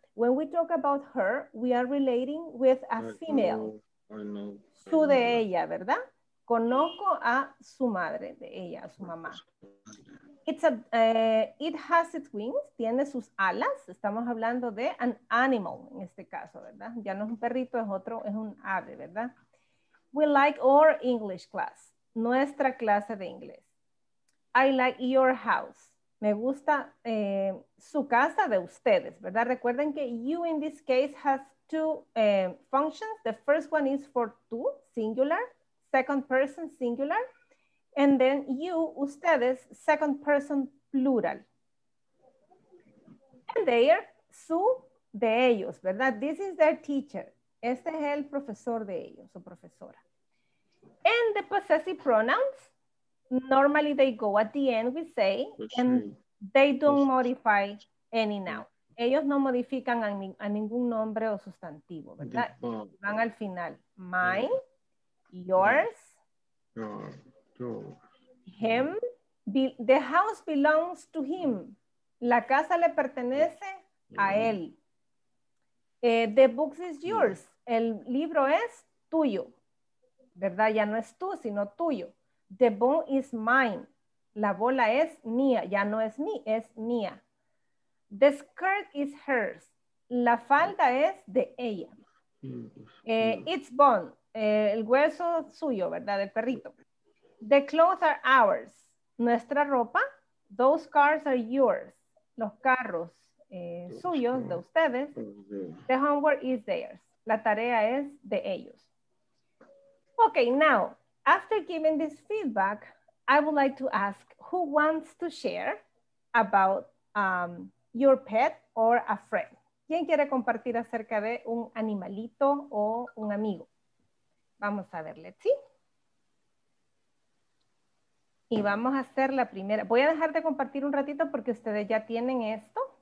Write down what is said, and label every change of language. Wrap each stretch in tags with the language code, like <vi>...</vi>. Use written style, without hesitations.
<en>When we talk about her, we are relating with a female.</en> <es>Su de ella, ¿verdad? Conozco a su madre, de ella, a su mamá.</es> <en>It's a, it has its wings,</en> <es>tiene sus alas. Estamos hablando de</es> <en>an animal</en> <es>en este caso, ¿verdad? Ya no es un perrito, es otro, es un ave, ¿verdad?</es> <en>We like our English class,</en> <es>nuestra clase de inglés.</es> <en>I like your house.</en> <es>Me gusta su casa de ustedes, ¿verdad? Recuerden que</es> <en>you in this case has two functions. The first one is for tú, singular. Second person, singular. And then you, ustedes, second person, plural. And there,</en> <es>su, de ellos, ¿verdad?</es> <en>This is their teacher.</en> <es>Este es el profesor de ellos, o profesora.</es> <en>And the possessive pronouns, normally they go at the end, we say, and they don't modify any noun.</en> <es>Ellos no modifican a ningún nombre o sustantivo, ¿verdad? Van al final.</es> <en>Mine, yours, him, the house belongs to him.</en> <es>La casa le pertenece a él.</es> <en>The books is yours.</en> <es>El libro es tuyo, ¿verdad? Ya no es tú, sino tuyo.</es> <en>The ball is mine.</en> <es>La bola es mía. Ya no es mí, es mía.</es> <en>The skirt is hers.</en> <es>La falda es de ella.</es> <en>It's bone.</en> <es>El hueso suyo, ¿verdad? Del perrito.</es> <en>The clothes are ours.</en> <es>Nuestra ropa.</es> <en>Those cars are yours.</en> <es>Los carros suyos, de ustedes.</es> <en>The homework is theirs.</en> <es>La tarea es de ellos.</es> <en>Okay, now, after giving this feedback, I would like to ask who wants to share about your pet or a friend.</en> <es>¿Quién quiere compartir acerca de un animalito o un amigo? Vamos a ver,</es> <en>let's see.</en> <es>Y vamos a hacer la primera. Voy a dejar de compartir un ratito porque ustedes ya tienen esto.</es>